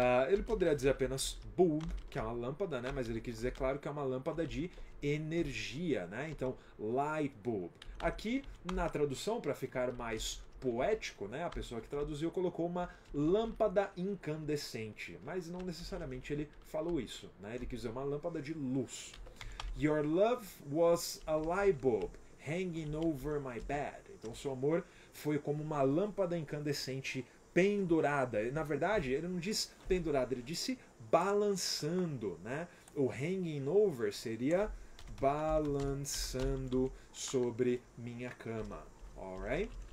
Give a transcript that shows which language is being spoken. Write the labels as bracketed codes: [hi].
[pt] Ele poderia dizer apenas bulb, que é uma lâmpada, né? Mas ele quis dizer, claro, que é uma lâmpada de energia, né? Então, light bulb. Aqui, na tradução, para ficar mais poético, né? A pessoa que traduziu colocou uma lâmpada incandescente. Mas não necessariamente ele falou isso, né? Ele quis dizer uma lâmpada de luz. [en] Your love was a light bulb hanging over my bed. [pt] Então, seu amor foi como uma lâmpada incandescente pendurada. Na verdade, ele não diz pendurada, ele disse balançando, né? O hanging over seria balançando sobre minha cama. Alright?